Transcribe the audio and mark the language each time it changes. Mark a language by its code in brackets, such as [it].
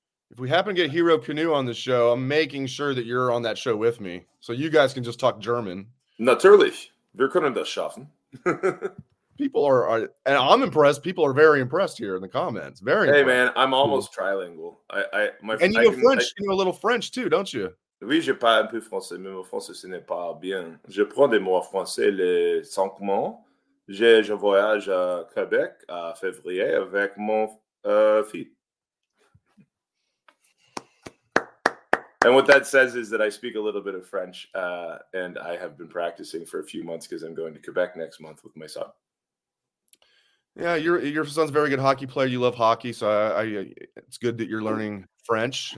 [en] If we happen to get Hero Canoe on the show, I'm making sure that you're on that show with me. So you guys can just talk German. [de] Natürlich. Wir können das schaffen. [en] People are, and I'm impressed. People are very impressed here in the comments. Very. Hey, impressed. Man, I'm almost trilingual. You know a little French too, don't you? [fr] Oui, je parle un peu français, mais mon français ce n'est pas bien. Je prends des mots français les cinq mois. Je voyage à Québec en février avec mon fille. [en] And what that says is that I speak a little bit of French, and I have been practicing for a few months because I'm going to Quebec next month with my son. Yeah, your son's a very good hockey player. You love hockey, so I it's good that you're learning French.